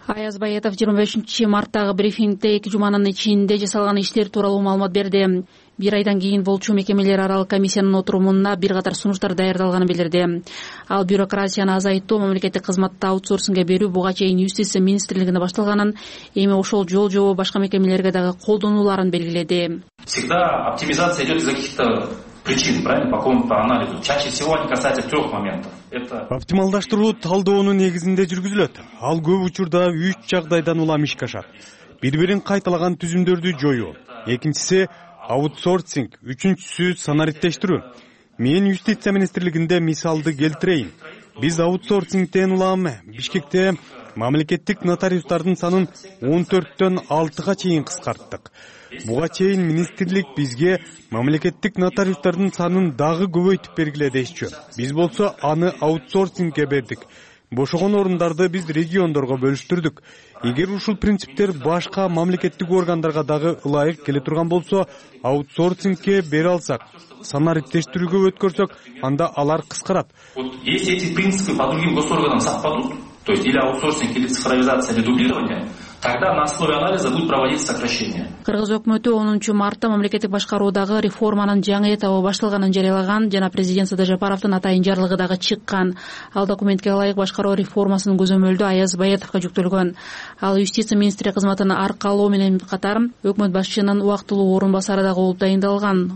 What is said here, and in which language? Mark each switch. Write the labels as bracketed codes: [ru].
[ky] Аяз Байетов 25 марттагы брифингде 2 жуманын ичинде жасалган иштер тууралуу маалымат берди. Бир айдан кийин болчу мекемелер аралык комиссиянын отурумуна бир катар сунуштар даярдалганын билдирди. Ал бюрократияны азайтуу, мамлекеттик кызматты аутсорсинге берүү буга чейин юстиция министрлигинде башталганын, эми ошол жол жобо башка мекемелерге дагы колдонууларын белгиледи. [ru] Всегда оптимизация идет из-за каких-то причин, правильно, по какому-то анализу. Чаще всего они касаются трех моментов. [ky] Оптималдаштыруу талдоонун негизинде жүргүзүлөт. Ал көп учурда 3 жагдайдан улам ишке ашат. Бири-бирин кайталаган түзүмдөрдү жоюу. Экинчиси аутсорсинг, үчүнчүсү санариттештирүү. Мен юстиция министрлигинде мисалды келтирейин. Биз аутсорсингден улам Бишкекте мамлекеттик нотариустардын санын 14-төн 6га чейин кыскарттык. Буга чейин министрлик бизге мамлекеттик нотариустардын санын дагы көбөйтүп бергиле дешчү. Биз болсо аны аутсорсингге бердик. Бошогон орундарды биз региондорго бөлүштүрдүк. Эгер ушул принциптер башка мамлекеттик органдарга дагы ылайык келе турган болсо, аутсорсингге бере алсак, санариптештирүүгө өткөрсөк, анда алар кыскарат. [ru] Вот есть эти принципы по другим госорганам совпадут, то есть или аутсорсинг, или цифровизация, или дублирование, тогда на основе анализа будет проводиться сокращение. [ky] Кыргыз өкмөтү 10 мартта мамлекеттик башкаруудагы реформанын жаңы этабы башталганын жарыялаган жана президент Садыр Жапаровдун атайын жарлыгы дагы чыккан. Ал документке ылайык башкаруу реформасынын көзөмөлдө Аяз Байетовго жүктөлгөн. Ал юстиция министри кызматын аркалоо менен катар өкмөт башчынын убактылуу орун басары дагы болуп дайындалган.